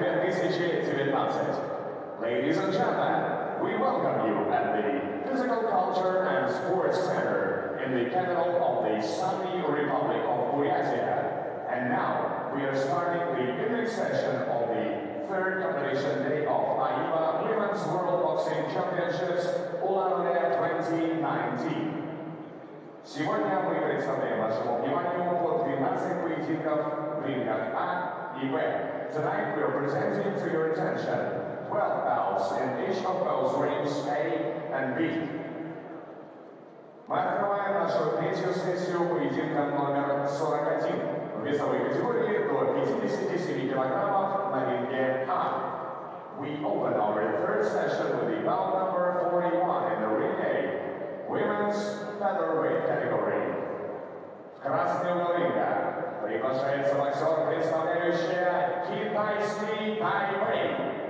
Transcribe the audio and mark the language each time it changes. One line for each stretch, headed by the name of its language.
English: Ladies and gentlemen, we welcome you at the Physical Culture and Sports Center in the capital of the Sunny Republic of Buryatia. And now, we are starting the evening session of the third competition day of AIBA Women's World Boxing Championships, Улан-Удэ 2019.
Russian: Сегодня мы представляем вашему вниманию по 12 поединков в рингах А и Б.
English: Tonight we are presenting to your attention 12 bouts in each of those rings A and B.
Russian: Мы открываем нашу третью сессию поединка номер 41 в весовой категории до 57 килограммов на ринге А.
English: We open our third session with the bout number 41 in the ring A. Women's Featherweight Category.
Russian: В красный угол ринга приглашается боксер, представляющая китайский Тайвэй.